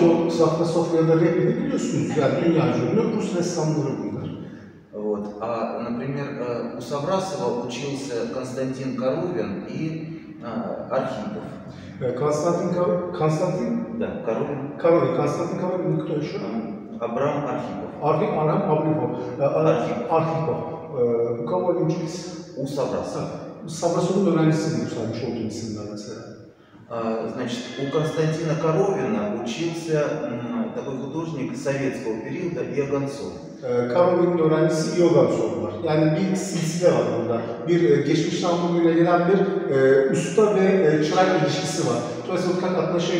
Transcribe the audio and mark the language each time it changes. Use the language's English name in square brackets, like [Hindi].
[Turkish] Саврасов ya da Репин, biliyorsunuz, yani dünya ünlü Rus ressamları bunlar. [Russian] Вот. А, например, у Саврасова учился Константин Коровин и Архипов. Константин? Да, Коровин. Коровин. Константин Коровин, кто еще? Абрам Архипов. Архипов. У кого они учились? У Саврасова. Саврасов он ранее сын, еще один сын, например. Значит, у Константина Коровина учился такой художник советского периода Иоганцов. [Turkish] Karolin'in öğrencisi Yogansov var. Yani bir silsile var burada. Bir geçmişten bugüne gelen bir usta ve çırak ilişkisi var. Dolayısıyla kat atma şey